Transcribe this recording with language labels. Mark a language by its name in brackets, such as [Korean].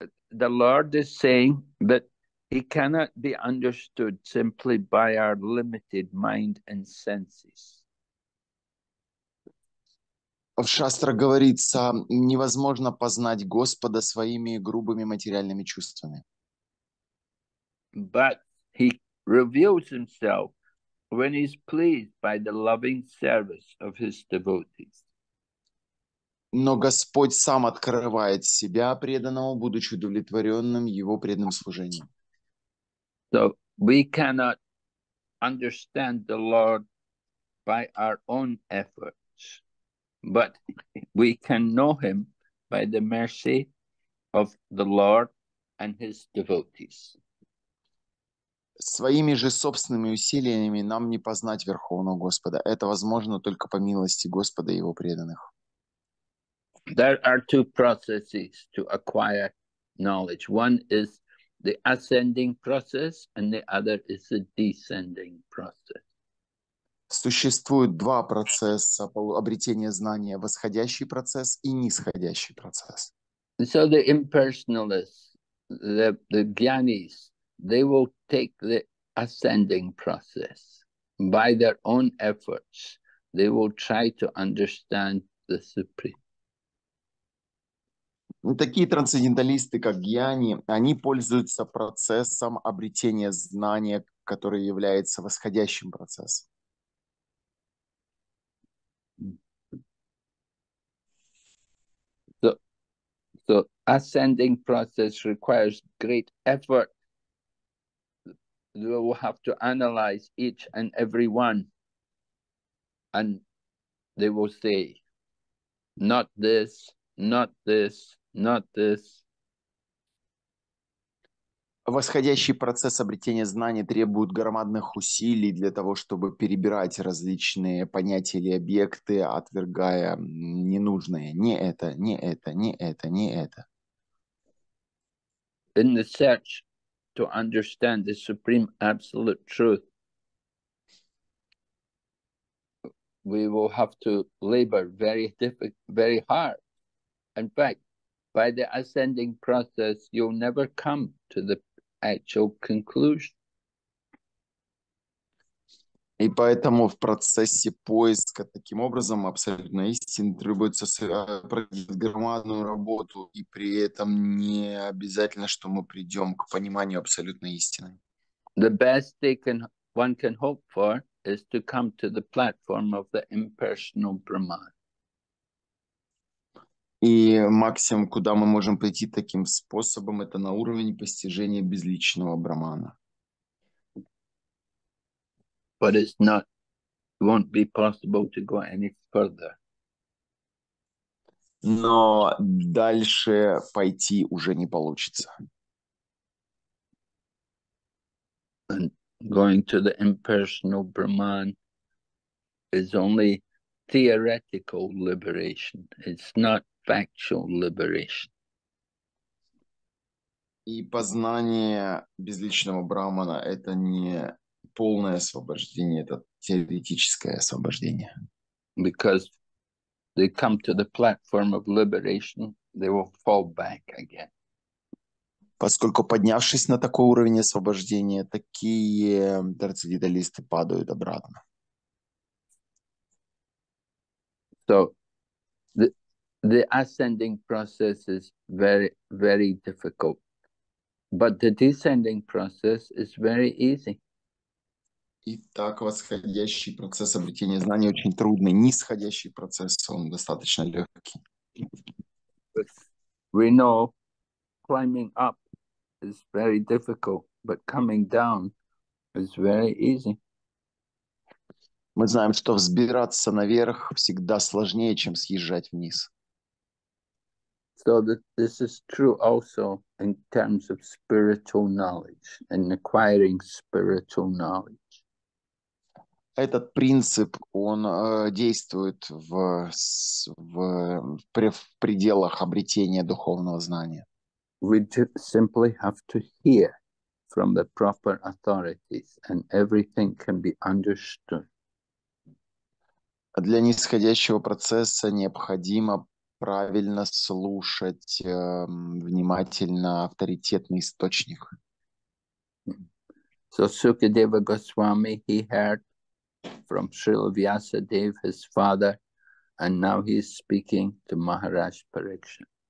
[English] The Lord is saying that He cannot be understood simply by our limited mind and senses. [Russian] В шастрах говорится, невозможно познать Господа своими грубыми материальными чувствами. [English] But he reveals himself when he is pleased by the loving service of his devotees. [Russian] Но Господь сам открывает себя преданному, будучи удовлетворенным его преданным служением. [English] So we cannot understand the Lord by our own efforts, but we can know him by the mercy of the Lord and his devotees. [Russian] Своими же собственными усилиями нам не познать Верховного Господа. Это возможно только по милости Господа и его преданных. [English] There are two processes to acquire knowledge. One is the ascending process, and the other is the descending process. [Russian] Существует два процесса обретения знания: восходящий процесс и нисходящий процесс. [English] So the impersonalists, the gyanis, they will take the ascending process. By their own efforts, they will try to understand the Supreme. [Russian] Такие трансценденталисты, как гьяни, они пользуются процессом обретения знания, который является восходящим процессом. [English] So ascending process requires great effort. We will have to analyze each and every one, and they will say, not this, not this, not this. [Russian] Восходящий процесс обретения знаний требует громадных усилий для того, чтобы перебирать различные понятия или объекты, отвергая ненужное. Не это, не это, не это, не это. [English] In the search to understand the supreme absolute truth, we will have to labor very very hard. In fact, by the ascending process, you'll never come to the actual conclusion. [Russian] И поэтому в процессе поиска таким образом абсолютно истины требуется проделать громадную работу, и при этом не обязательно, что мы придем к пониманию абсолютной истины. [English] The best they can, one can hope for is to come to the platform of the impersonal Brahman. [Russian] И максимум, куда мы можем прийти таким способом, это на уровень постижения безличного Брахмана. [English] But it's not, it won't be possible to go any further. [Russian] Но дальше пойти уже не получится. [English] And going to the impersonal Brahman is only theoretical liberation. It's not factual liberation. [Russian] И познание безличного Брахмана – это не полное освобождение, это теоретическое освобождение. [English] Because they come to the platform of liberation, they will fall back again. [Russian] Поскольку поднявшись на такой уровень освобождения, такие трансценденталисты падают обратно. [English] So, the ascending process is very, very difficult. But the descending process is very easy. [Russian] Итак, восходящий процесс обретения знаний очень трудный. Нисходящий процесс, он достаточно легкий. [English] We know climbing up is very difficult, but coming down is very easy. [Russian] Мы знаем, что взбираться наверх всегда сложнее, чем съезжать вниз. [English] So this is true also in terms of spiritual knowledge and acquiring spiritual knowledge. [Russian] Этот принцип, он действует в пределах обретения духовного знания. [English] We simply have to hear from the proper authorities and everything can be understood. [Russian] Для нисходящего процесса необходимо правильно слушать внимательно авторитетный источник. [English] So Sukadeva Goswami, he heard from Srila Vyasadeva, his father, and now he is speaking to Maharaj Parikshit.